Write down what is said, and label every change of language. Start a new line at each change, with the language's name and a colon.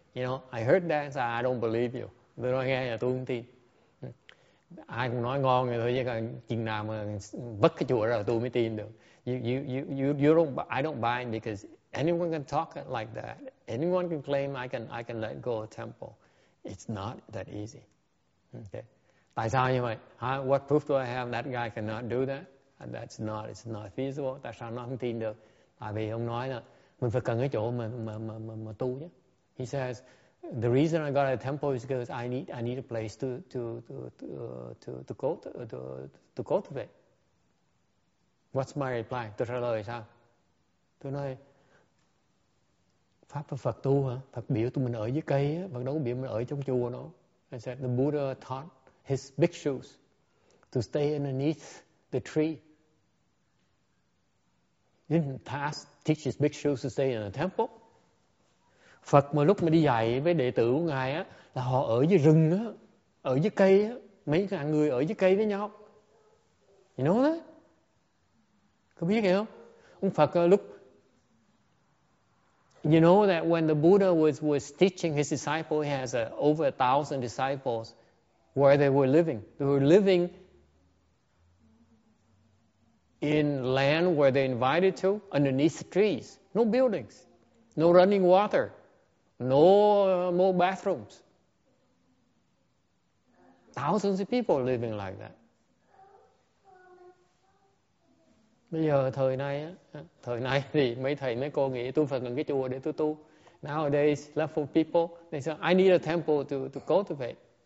English: You know, I heard that, so I don't believe you.
Vietnamese: Tôi nói nghe, tôi không tin. Ai cũng nói ngon rồi thôi, chứ còn chừng nào mà vất cái chùa ra tôi mới tin được.
English: I don't buy it because anyone can talk like that. Anyone can claim I can let go of temple. It's not that easy. Okay.
Vietnamese: Tại sao như vậy?
English: Huh? What proof do I have that guy cannot do that? And that's not, it's not feasible.
Vietnamese: Tại sao nó không tin được? Tại vì ông nói là mình phải cần cái chỗ mà tu nhé.
English: He says, the reason I got a temple is because I need a place to cultivate. What's my reply?
Vietnamese: Tôi trả lời sao? Tôi nói, Pháp và Phật tu hả? Phật biểu tụi mình ở dưới cây á, Phật đâu có biểu mình ở trong chùa nó.
English: I said, the Buddha taught his bhikshus to stay underneath the tree. Didn't teach his bhikshus to stay in the temple.
Vietnamese: Phật mà lúc mà đi dạy với đệ tử của Ngài á, là họ ở dưới rừng á, ở dưới cây á, mấy ngàn người ở dưới cây với nhau.
English: You know that?
Vietnamese: Có biết không? Ông Phật lúc,
English: you know that when the Buddha was teaching his disciple, he has over 1,000 disciples where they were living. They were living in land where they're invited to, underneath the trees. No buildings, no running water, no more bathrooms. Thousands of people living like that.
Vietnamese: Bây giờ thời nay thì mấy thầy mấy cô nghĩ tôi phải cần cái chùa để tôi tu.
English: Nowadays, love for people, they say, I need a temple to cultivate.